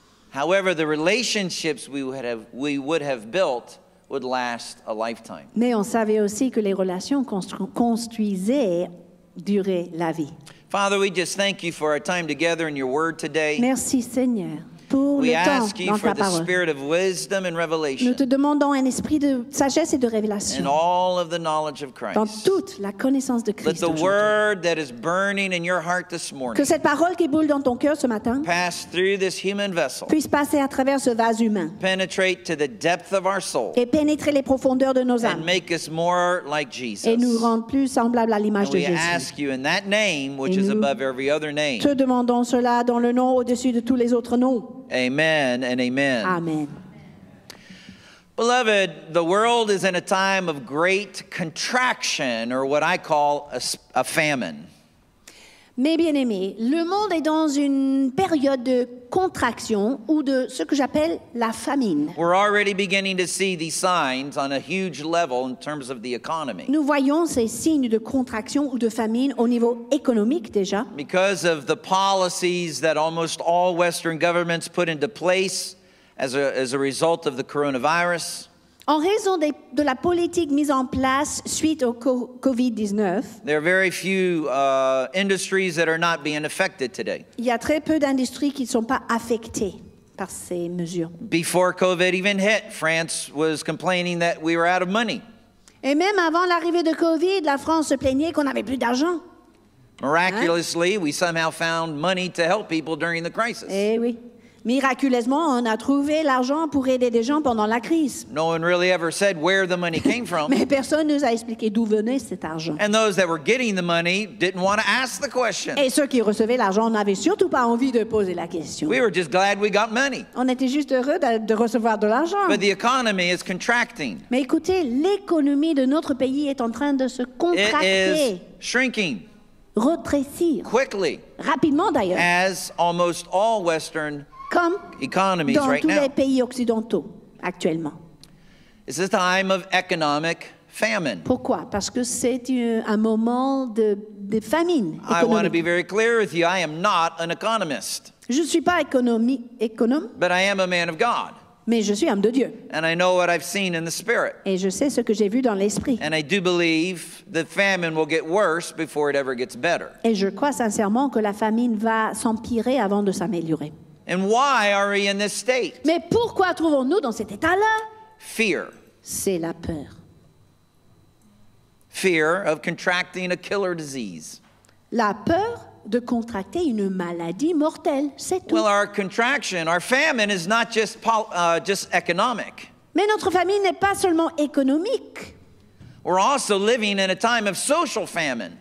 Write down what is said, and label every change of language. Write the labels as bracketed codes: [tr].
[en] However, the relationships we would have built would last a lifetime. [fr] Mais on savait aussi que les relations construisaient duraient la vie. [en] Father, we just thank you for our time together in your word today. [fr] Merci Seigneur pour [en] we [fr] le temps dans ta parole. [en] We ask you for the spirit of wisdom and revelation. [fr] Nous te demandons un esprit de sagesse et de révélation. [en] In all of the knowledge of Christ. [fr] Dans toute la connaissance de Christ. [en] Let the word that is burning in your heart this morning. [fr] Que cette parole qui brûle dans ton cœur ce matin. [en] Pass through this human vessel. [fr] Puisse passer à travers ce vase humain. [en] Penetrate to the depth of our soul. [fr] Et pénétrer les profondeurs de nos âmes. [en] And make us more like Jesus. [fr] Et nous rendre plus semblables à l'image de Jésus. [en] We ask you in that name, which is above every other name. [fr] Te demandons cela dans le nom au-dessus de tous les autres noms. [en] Amen and amen. [fr] Amen. [en] Beloved, the world is in a time of great contraction, or what I call a famine. [fr] Mes bien-aimés, le monde est dans une période de contraction ou de ce que j'appelle la famine. [en] We're already beginning to see these signs on a huge level in terms of the economy. [fr] Nous voyons ces signes de contraction ou de famine au niveau économique déjà. [en] Because of the policies that almost all Western governments put into place as a result of the coronavirus. [fr] En raison de la politique mise en place suite au COVID-19, [en] there are very few industries that are not being affected today. [fr] Il y a très peu d'industries qui ne sont pas affectées par ces mesures. [en] Before COVID even hit, France was complaining that we were out of money. [fr] Et même avant l'arrivée de COVID, la France se plaignait qu'on n'avait plus d'argent. [en] Miraculously, hein? We somehow found money to help people during the crisis. [fr] Eh oui. Miraculeusement, on a trouvé l'argent pour aider des gens pendant la crise. [en] No one really ever said where the money came from. [fr] Mais personne ne nous a expliqué d'où venait cet argent. [en] And those that were getting the money didn't want to ask the question. [fr] Et ceux qui recevaient l'argent n'avaient surtout pas envie de poser la question. [en] We were just glad we got money. [fr] On était juste heureux de recevoir de l'argent. [en] But the economy is contracting. [fr] Mais écoutez, l'économie de notre pays est en train de se contracter. [en] It is shrinking. [fr] Retrécir. [en] Quickly. [fr] Rapidement d'ailleurs. [en] As almost all Western economies [fr] dans [en] right [fr] tous [en] now. [fr] Les pays occidentaux actuellement. [en] It's a time of economic famine. [fr] Pourquoi? Parce que c'est un moment de famine économique. [en] I want to be very clear with you. I am not an economist. [fr] Je ne suis pas économe. [en] But I am a man of God. [fr] Mais je suis homme de Dieu. [en] And I know what I've seen in the spirit. [fr] Et je sais ce que j'ai vu dans l'esprit. [en] And I do believe the famine will get worse before it ever gets better. [fr] Et je crois sincèrement que la famine va s'empirer avant de s'améliorer. [en] And why are we in this state? [fr] Mais pourquoi trouvons-nous dans cet état-là? [en] Fear. [fr] C'est la peur. [en] Fear of contracting a killer disease. [fr] La peur de contracter une maladie mortelle, c'est tout. [en] Well, our contraction, our famine is not just just economic. [fr] Mais notre famine n'est pas seulement économique. [en] We're also living in a time of social famine.